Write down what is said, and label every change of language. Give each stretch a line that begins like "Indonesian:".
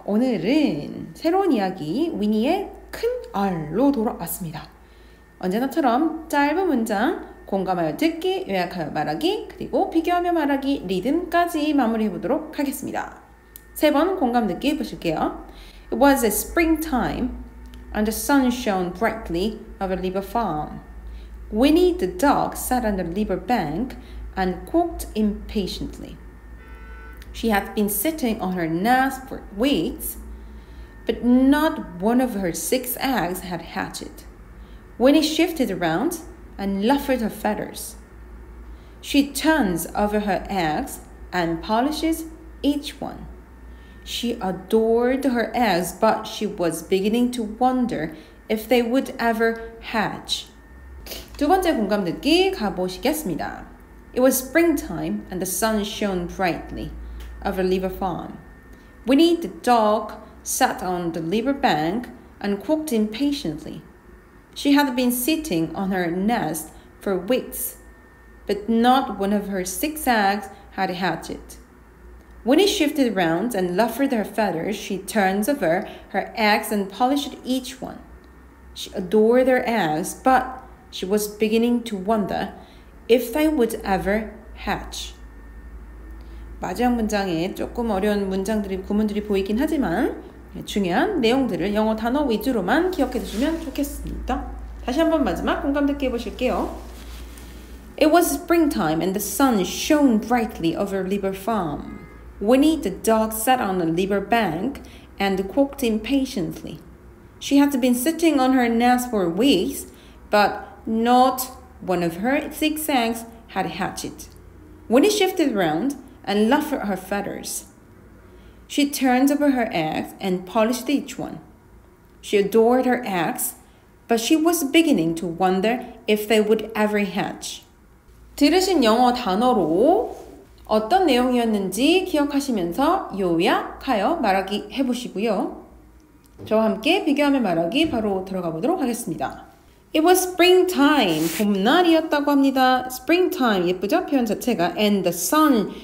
Korean: 오늘은 새로운 이야기 위니의 큰 알로 돌아왔습니다. 언제나처럼 짧은 문장, 공감하여 듣기, 요약하여 말하기, 그리고 비교하며 말하기, 리듬까지 마무리해보도록 하겠습니다. 세 번 공감 듣기 해보실게요.
English: It was a springtime. And the sun shone brightly over the liver farm. Winnie the dog sat on the liver bank and quacked impatiently. She had been sitting on her nest for weeks, but not one of her six eggs had hatched. Winnie shifted around and ruffled her feathers. She turns over her eggs and polishes each one. She adored her eggs, but she was beginning to wonder if they would ever hatch.
Korean: 두 번째 공감 듣기 가보시겠습니다.
English: It was springtime and the sun shone brightly over the liver farm. Winnie the dog sat on the liver bank and quacked impatiently. She had been sitting on her nest for weeks, but not one of her six eggs had hatched. When he shifted round and ruffled her feathers, she turns over her eggs and polished each one. She adored her eggs, but she was beginning to wonder if they would ever hatch.
Korean: 마지막 문장에 조금 어려운 문장들이, 구문들이 보이긴 하지만 중요한 내용들을 영어 단어 위주로만 기억해 두시면 좋겠습니다. 다시 한번 마지막 공감 듣기 해보실게요.
English: It was springtime and the sun shone brightly over Lieber Farm. Winnie the dog sat on the liver bank and quacked impatiently. She had been sitting on her nest for weeks, but not one of her six eggs had hatched. Winnie shifted round and ruffled her feathers. She turned over her eggs and polished each one. She adored her eggs, but she was beginning to wonder if they would ever hatch.
Korean: 들으신 영어 단어로 어떤 내용이었는지 기억하시면서 요약하여 말하기 해보시고요. 저와 함께 비교하며 말하기 바로 들어가 보도록 하겠습니다.
English: It was springtime.
Korean: 봄날이었다고 합니다.
English: Springtime.
Korean: 예쁘죠? 표현 자체가.
English: And the sun.